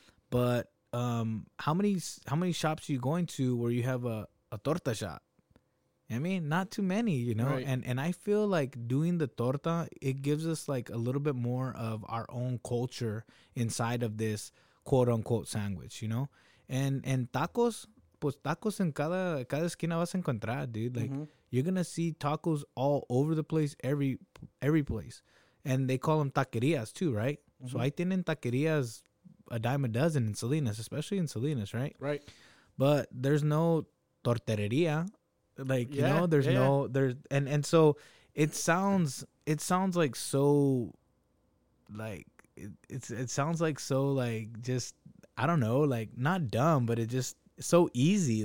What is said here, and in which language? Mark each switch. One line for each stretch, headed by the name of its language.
English: But how many shops are you going to where you have a torta shop? I mean, not too many, you know? Right. And I feel like doing the torta, it gives us like a little bit more of our own culture inside of this quote-unquote sandwich, you know? And tacos,
Spanish: pues tacos en cada esquina vas a encontrar, dude.
English: Like, mm-hmm. you're going to see tacos all over the place, every place. And they call them taquerias too, right? Mm-hmm. So
Spanish: ahí tienen
English: taquerias a dime a dozen in Salinas, especially in Salinas, right? Right. But there's no tortereria. Like, yeah, you know, there's no, there's, and so it sounds like so, like, it sounds like so, like, just, I don't know, like, not dumb, but it just, so easy.